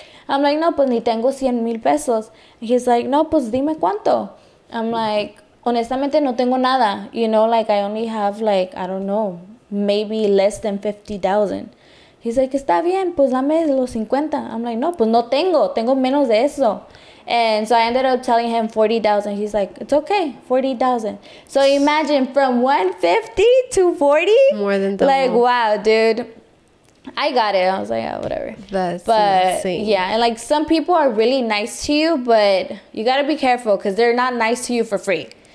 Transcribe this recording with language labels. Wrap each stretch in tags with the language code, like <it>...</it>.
<en>I'm like,</en> <es>no, pues ni tengo 100,000 pesos.</es> <en>And he's like,</en> <es>no, pues dime cuánto.</es> <en>I'm like,</en> <es>honestamente, no tengo nada,</es> <en>you know, like, I only have, like, I don't know, maybe less than 50,000. He's like,</en> <es>está bien, pues dame los 50.</es> <en>I'm like,</en> <es>no, pues no tengo. Tengo menos de eso.</es> <en>And so I ended up telling him 40,000. He's like, it's okay, 40,000. So imagine from 150 to 40. More than double. Like, wow, dude. I got it. I was like, yeah, whatever. That's insane. Yeah, and like some people are really nice to you, but you got to be careful because they're not nice to you for free.</en>